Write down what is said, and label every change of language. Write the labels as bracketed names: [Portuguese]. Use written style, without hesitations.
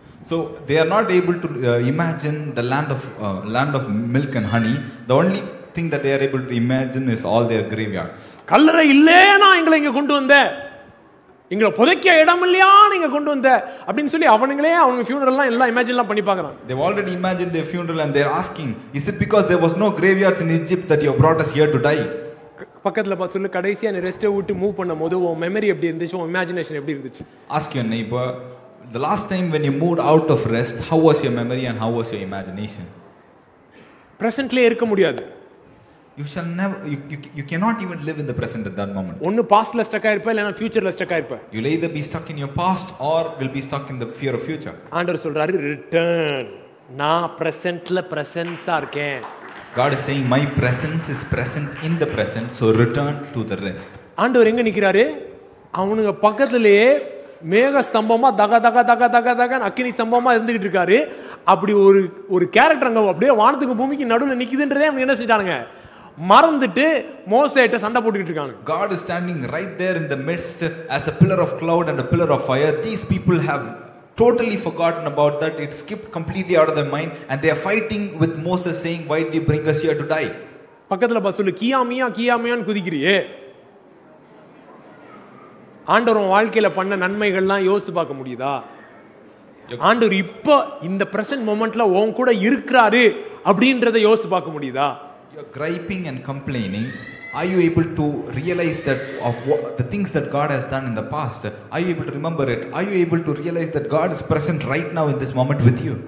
[English] So they are not able to imagine the land of milk and honey. The only thing that they are able to imagine is all their graveyards. [Tamil] கல்லற இல்லேனா எங்களை இங்க கொண்டு வந்த, எங்களை புதைக்க இடம் இல்லையா நீங்க கொண்டு வந்த அப்படின்னு சொல்லி அவனுங்களே அவங்க ஃபியூனரல்லாம் எல்லாம் இமேஜின்லாம் பண்ணி பார்க்குறான். [English] They've already imagined their funeral and they're asking, is it because there was no graveyards in Egypt that you have brought us here to die? [Tamil] பக்கத்துல பார்த்து சொல்லு, கடைசியா நீ ரெஸ்ட் விட்டு மூவ் பண்ண போது உன் மெமரி எப்படி இருந்துச்சு, உன் இமேஜினேஷன் எப்படி இருந்துச்சு? [English] Ask your neighbor, the last time when you moved out of rest, how was your memory and how was your imagination? [Tamil] Presently இருக்க முடியாது. [English] You shall never, you cannot even live in the present at that moment. [Tamil] ஒன்னு பாஸ்ட்ல ஸ்டக்கா இருப்ப இல்லனா ஃபியூச்சர்ல ஸ்டக்கா இருப்ப. [English] You'll either be stuck in your past or will be stuck in the fear of future. [Tamil] ஆண்டவர் சொல்றாரு, return. நான் presentல presence-ஆ இருக்கேன். [English] God is saying my presence is present in the present, so return to the rest. [Tamil] ஆண்டவர் எங்க நிக்கிறாரு? அவனுங்க பக்கத்திலே மேக ஸ்தம்பமா தக தக தக தக தக அக்னி ஸ்தம்பமா இருந்துகிட்டு இருக்காரு. அப்படி ஒரு ஒரு கேரக்டர் அங்க அப்படியே வானத்துக்கு பூமிக்கு நடுவுல நிக்குதுன்றதே அவங்க என்ன செஞ்சானுங்க, மறந்துட்டு மோசேட்ட சண்டை போட்டுக்கிட்டு இருக்காங்க. [English] God is standing right there in the midst as a pillar of cloud and a pillar of fire. These people have totally forgotten about that. It skipped completely out of their mind and they are fighting with Moses saying, why did you bring us here to die? [Tamil] பக்கத்துல பா சொல்லு, கியாமியா கியாமியா குதிக்கிறியே. ஆண்டவர் உன் வாழ்க்கையில பண்ண நன்மைகள்லாம் யோசிச்சு பார்க்க முடியுதா? ஆண்டவர் இப்ப இந்த பிரசன்ட் மொமெண்ட்ல உன் கூட இருக்கிறாரு அப்படின்றத யோசிச்சு பார்க்க முடியுதா? [English] You're griping and complaining. Are you able to realize that of the things that God has done in the past? Are you able to remember it? Are you able to realize that God is present right now in this moment with you?